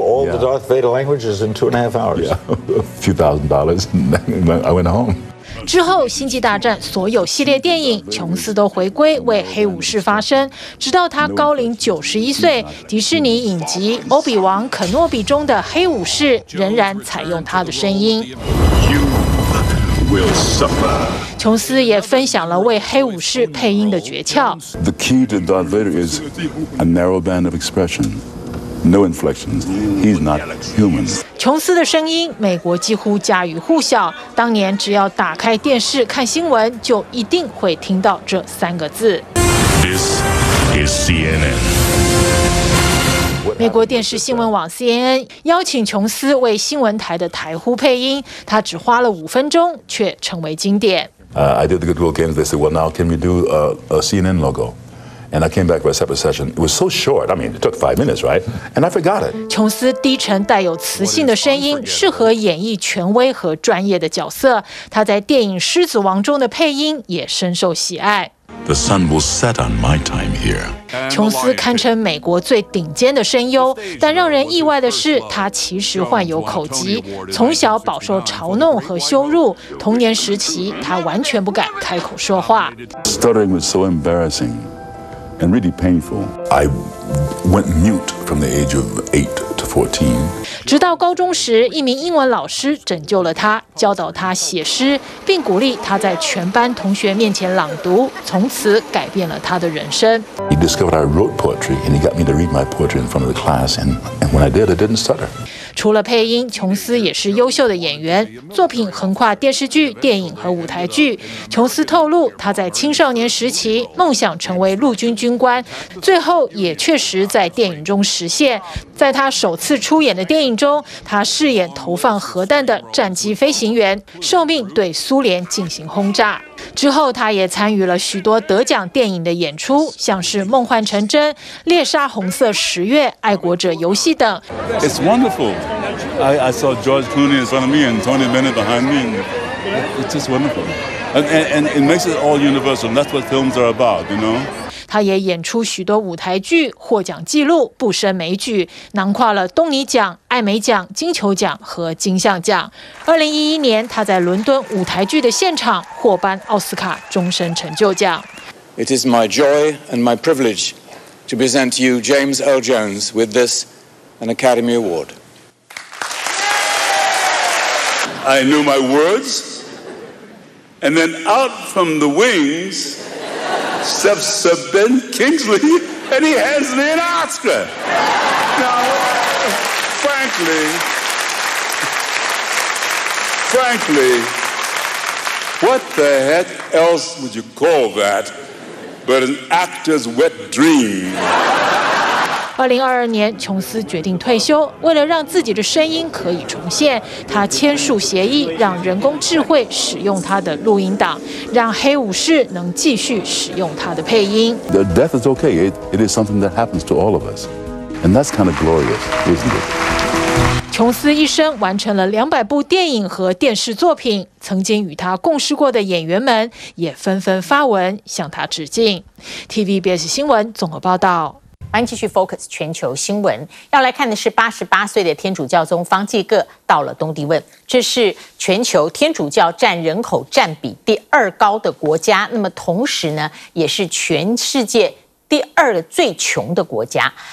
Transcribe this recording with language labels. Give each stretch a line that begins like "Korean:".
English: All the Darth Vader language is in 2.5 hours? Yeah, a few $1,000s, and then I went home.
Chinese: 之后，《星际大战》所有系列电影，琼斯都回归为黑武士发声，直到他高龄91岁，迪士尼影集《欧比王肯诺比》中的黑武士仍然采用他的声音。琼斯也分享了为黑武士配音的诀窍。
English: The key to Darth Vader is a narrow band of expression. No inflections. He's not human.
Chinese: 琼斯的声音，美国几乎家喻户晓。当年只要打开电视看新闻，就一定会听到这三个字。
English: This is CNN.
Chinese: 美国电视新闻网 CNN 邀请琼斯为新闻台的台呼配音，他只花了5分钟，却成为经典。
English: I did the Goodwill Games. They said, "Well, now can we do a CNN logo?" And I came back for a separate session. It was so short. I mean, it took 5 minutes, right? And I forgot it.
Chinese: 琼斯低沉带有磁性的声音，适合演绎权威和专业的角色。他在电影《狮子王》中的配音也深受喜爱。
English: The sun will set on my time here.
Chinese: 琼斯堪称美国最顶尖的声优，但让人意外的是，他其实患有口疾，从小饱受嘲弄和羞辱。童年时期，他完全不敢开口说话。
English: Stuttering was so embarrassing and really painful. I went mute from the age of 8 to 14.
Chinese: 直到高中时，一名英文老师拯救了他，教导他写诗，并鼓励他在全班同学面前朗读，从此改变了他的人生。
English: He discovered I wrote poetry, and he got me to read my poetry in front of the class. And when I did, I didn't stutter.
Chinese: 除了配音，琼斯也是优秀的演员，作品横跨电视剧、电影和舞台剧。琼斯透露，他在青少年时期梦想成为陆军军官，最后也确实在电影中实现。在他首次出演的电影中，他饰演投放核弹的战机飞行员，受命对苏联进行轰炸。之后，他也参与了许多得奖电影的演出，像是《梦幻成真》《猎杀红色十月》《爱国者游戏》等。
English: It's wonderful. I saw George Clooney in front of me and Tony Bennett behind me. It's just wonderful. And it makes it all universal. That's what films are about, you know.
Chinese: 他也演出许多舞台剧，获奖纪录不胜枚举，囊括了东尼奖、艾美奖、金球奖和金像奖。 2011年，他在伦敦舞台剧的现场获颁奥斯卡终身成就奖。
English: It is my joy and my privilege to present to you James Earl Jones with this an Academy Award. I knew my words, and then out from the wings. Steps of Ben Kingsley, and he hands me an Oscar. Now, frankly, what the heck else would you call that but an actor's wet dream?
Chinese: 2022年，琼斯决定退休。为了让自己的声音可以重现，他签署协议，让人工智慧使用他的录音档，让黑武士能继续使用他的配音。
English: The death is okay. It is something that happens to all of us, and that's kind of glorious, isn't it?
Chinese: 琼斯一生完成了200部电影和电视作品，曾经与他共事过的演员们也纷纷发文向他致敬。 TVBS 新闻综合报道。欢迎继续 Focus 全球新闻，要来看的是88岁的天主教宗方济各到了东帝汶，这是全球天主教占人口占比第二高的国家，那么同时呢，也是全世界第二个最穷的国家。